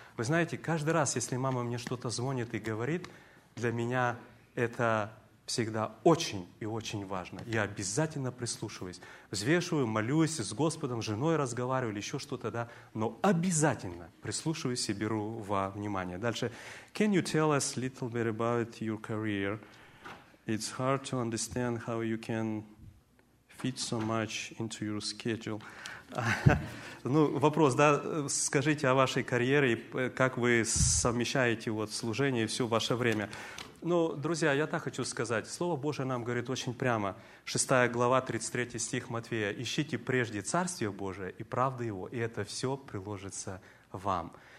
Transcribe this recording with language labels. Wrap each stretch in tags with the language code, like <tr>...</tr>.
<ru>Вы знаете, каждый раз, если мама мне что-то звонит и говорит, для меня это всегда очень и очень важно. Я обязательно прислушиваюсь, взвешиваю, молюсь, с Господом, с женой разговариваю или еще что-то, да, но обязательно прислушиваюсь и беру во внимание. Дальше.</ru> <en>Can you tell us a little bit about your career? It's hard to understand how you can fit so much into your schedule.</en> <ru>Ну, вопрос, да, скажите о вашей карьере, как вы совмещаете вот служение и все ваше время. Ну, друзья, я так хочу сказать. Слово Божие нам говорит очень прямо. 6 глава, 33 стих Матфея. «Ищите прежде Царствие Божие и правды Его, и это все приложится вам».</ru>